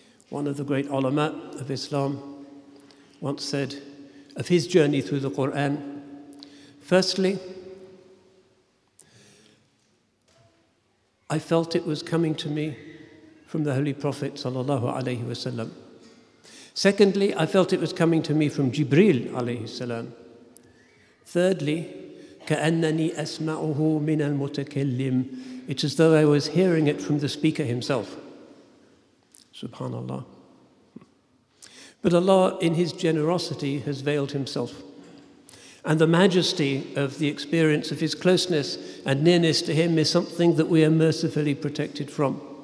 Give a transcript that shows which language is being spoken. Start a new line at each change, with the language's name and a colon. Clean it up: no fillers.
English: One of the great ulama of Islam once said of his journey through the Quran, firstly, I felt it was coming to me from the Holy Prophet sallallahu alayhi wa sallam. Secondly, I felt it was coming to me from Jibril alayhi salam. Thirdly,
Arabic: كأنني أسمعه من المتكلم.
English: It's as though I was hearing it from the speaker himself. Subhanallah. But Allah, in His generosity, has veiled Himself. And the majesty of the experience of His closeness and nearness to Him is something that we are mercifully protected from.